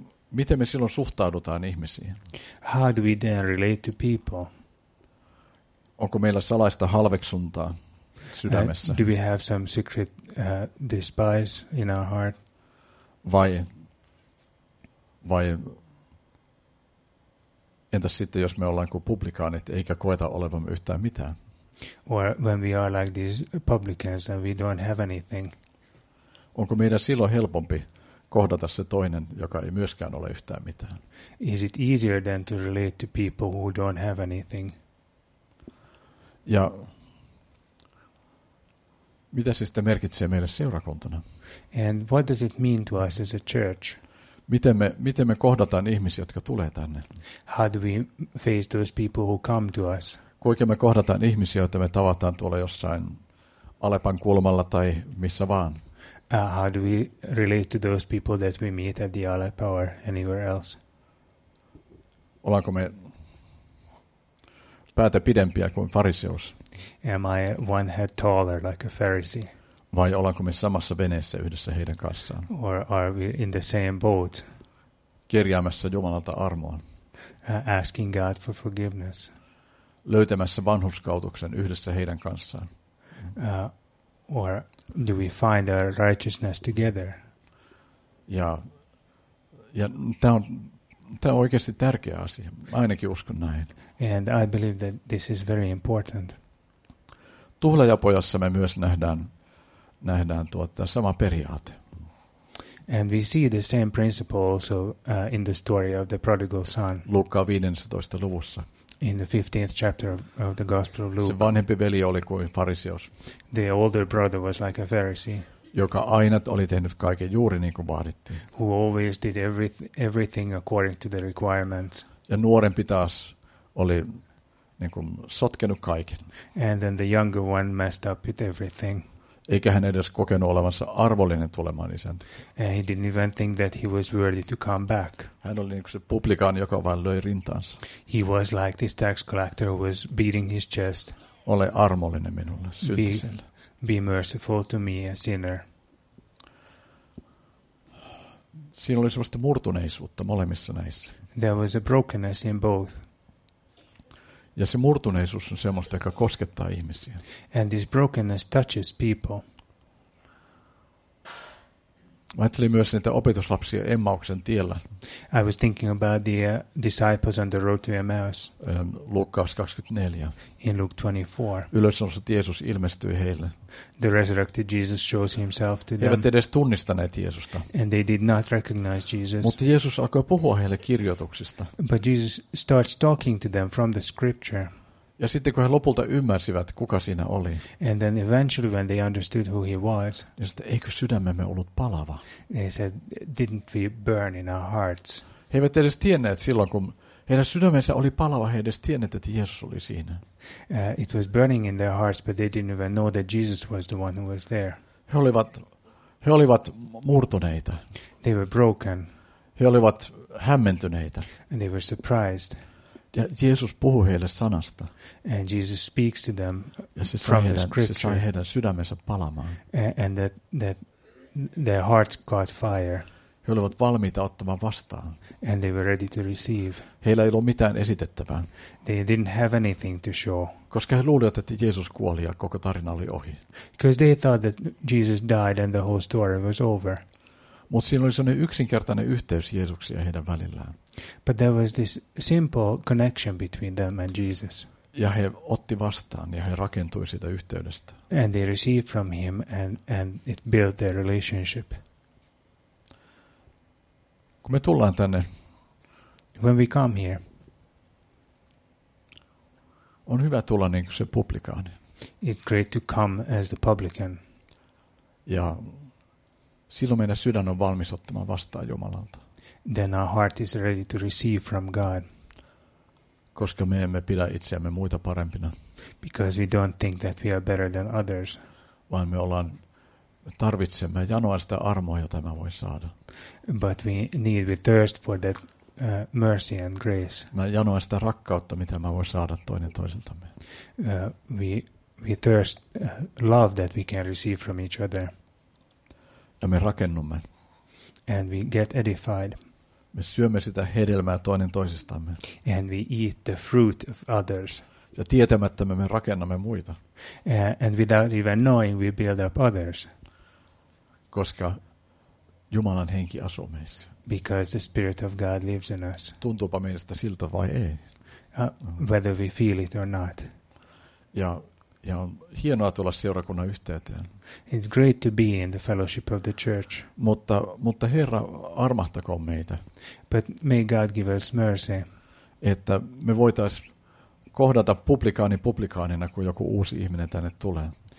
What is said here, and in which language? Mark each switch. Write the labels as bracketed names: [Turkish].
[Finnish] Miten me silloin suhtaudutaan ihmisiin? [English] How do we then relate to people? [Finnish] Onko meillä salaista halveksuntaa sydämessä? [English] Do we have some secret despise in our heart? [Finnish] Vai entäs sitten, jos me ollaan kuin publikaanit eikä koeta olevamme yhtään mitään? [English] Or when we are like these publicans and we don't have anything. [Finnish] Onko meidän silloin helpompi kohdata se toinen, joka ei myöskään ole yhtään mitään? [English] Is it easier than to relate to people who don't have anything? [Finnish] Ja mitä se sitten merkitsee meille seurakuntana? [English] And what does it mean to us as a church? [Finnish] Miten me kohdataan ihmisiä, jotka tulee tänne? [English] How do we face those people who come to us? [Finnish] Kuinka me kohdataan ihmisiä, joita me tavataan tuolla jossain Alepan kulmalla tai missä vaan? [English] How do we relate to those people that we meet at the Aleppo or anywhere else? [Finnish] Ollaanko me päätä pidempiä kuin fariseus? [English] Am I one head taller like a Pharisee? [Finnish] Vai ollaanko me samassa veneessä yhdessä heidän kanssaan? [English] Or are we in the same boat? [Finnish] Kerjäämässä Jumalalta armoa. [English] Asking God for forgiveness. [Finnish] Löytämässä vanhurskautuksen yhdessä heidän kanssaan. [English] Or do we find our righteousness together? [Finnish] Ja tämä on oikeasti tärkeä asia. Ainakin uskon näin. [English] And I believe that this is very important. [Finnish] Tuhlajapojassa me myös nähdään sama periaate. [English] And we see the same principle also in the story of the prodigal son. [Finnish] Luukkaan 15. luvussa. [English] In the 15th chapter of the Gospel of Luke. [Finnish] Se vanhempi veli oli kuin fariseus. [English] The older brother was like a Pharisee. [Finnish] Joka aina oli tehnyt kaiken juuri niin kuin vaadittiin. [English] Who always did everything according to the requirements. [Finnish] Ja nuorempi taas oli niin kuin sotkenut kaiken. [English] And then the younger one messed up with everything. [Finnish] Eikä hän edes kokenut olevansa arvollinen tulemaan isäntä. [English] And he didn't even think that he was worthy to come back. [Finnish] Hän oli niin kuin se publikaani, joka vain löi rintaansa. [English] He was like this tax collector who was beating his chest. [Finnish] Ole armollinen minulle, syntiselle. [English] Be merciful to me, a sinner. [Finnish] Siinä oli sellaista murtuneisuutta molemmissa näissä. [English] There was a brokenness in both. [Finnish] Ja se murtuneisuus on semmoista, joka koskettaa ihmisiä. [English] And this brokenness touches people. [Finnish] Mä ajattelin myös niitä opetuslapsia Emmauksen tiellä. [English] I was thinking about the disciples on the road to Emmaus. [Finnish] Lukkaus 24. [English] In Luke 24. [Finnish] Ylösnoussut Jeesus ilmestyi heille. [English] The resurrected Jesus shows himself to them. [Finnish] Eivät edes tunnistaneet Jeesusta. [English] And they did not recognize Jesus. [Finnish] Mutta Jeesus alkoi puhua heille kirjoituksista. [English] But Jesus starts talking to them from the scripture. [Finnish] Ja sitten kun he lopulta ymmärsivät, kuka siinä oli. [English] And then eventually when they understood who he was. [Finnish] Ja sitten, eikö sydämemme ollut palava? [English] They said, didn't we burn in our hearts? [Finnish] He eivät edes tienneet silloin, kun heidän sydämensä oli palava, he edes tienneet, että Jeesus oli siinä. [English] It was burning in their hearts, but they didn't even know that Jesus was the one who was there. [Finnish] He olivat murtuneita. [English] They were broken. [Finnish] He olivat hämmentyneitä. [English] And they were surprised. [Finnish] Ja Jeesus puhui heille sanasta. [English] And Jesus speaks to them from the scripture. [Finnish] Se sai heidän sydämensä palamaan. [English] And that their hearts caught fire. [Finnish] He olivat valmiita ottamaan vastaan. [English] And they were ready to receive. [Finnish] Heillä ei ollut mitään esitettävää. [English] They didn't have anything to show. [Finnish] Koska he luulivat, että Jeesus kuoli ja koko tarina oli ohi. [English] Because they thought that Jesus died and the whole story was over. [Finnish] Mutta siinä oli sellainen yksinkertainen yhteys Jeesuksen ja heidän välillään. [English] But there was this simple connection between them and Jesus. [Finnish] Ja he otti vastaan ja he rakentui sitä yhteydestä. [English] And they received from him and it built their relationship. [Finnish] Kun me tullaan tänne. [English] When we come here. [Finnish] On hyvä tulla niin kuin se publikaani. [English] It's great to come as the publican. [Finnish] Ja silloin meidän sydän on valmis ottamaan vastaan Jumalalta. [English] Then our heart is ready to receive from God. [Finnish] Koska me emme pidä itseämme muita parempina. [English] Because we don't think that we are better than others. [Finnish] Vaan me tarvitsemme janoa sitä armoa, jota mä voin saada. [English] But we need the thirst for that mercy and grace. [Finnish] Mä janoa sitä rakkautta, mitä mä voin saada toinen toiseltamme. [English] We thirst love that we can receive from each other. [Finnish] Ja me rakennumme. [English] And we get edified. [Finnish] Me syömme sitä hedelmää toinen toisistamme. [English] And we eat the fruit of others. [Finnish] Ja tietämättä me rakennamme muita. [English] And without even knowing we build up others. [Finnish] Koska Jumalan henki asuu meissä. [English] Because the spirit of God lives in us. [Finnish] Tuntuupa meistä siltä vai ei. [English] Whether we feel it or not. [Finnish] Ja on hienoa tulla seurakunnan yhteyteen. [English] It's great to be in the fellowship of the church. [Finnish] Mutta Herra, armahtakoon meitä. [English] But may God give us mercy. [Finnish] Että me voitais kohdata publikaanina, kun joku uusi ihminen tänne tulee.